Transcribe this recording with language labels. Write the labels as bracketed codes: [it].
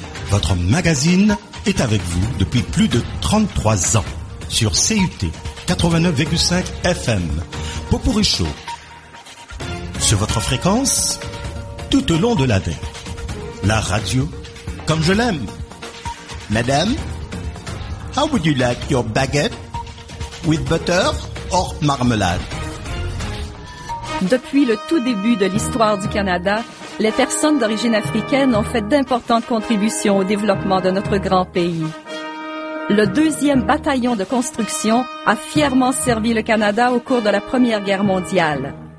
[fr] Votre magazine est avec vous depuis plus de 33 ans. Sur CUT 89,5 FM, Popourri Show, sur votre fréquence, tout au long de l'année, la radio, comme je l'aime. [en] Madame, how would you like your baguette, with butter or marmalade? [fr] Depuis le tout début de l'histoire du Canada, les personnes d'origine africaine ont fait d'importantes contributions au développement de notre grand pays. le 2e bataillon de construction a fièrement servi le Canada au cours de la Première Guerre mondiale.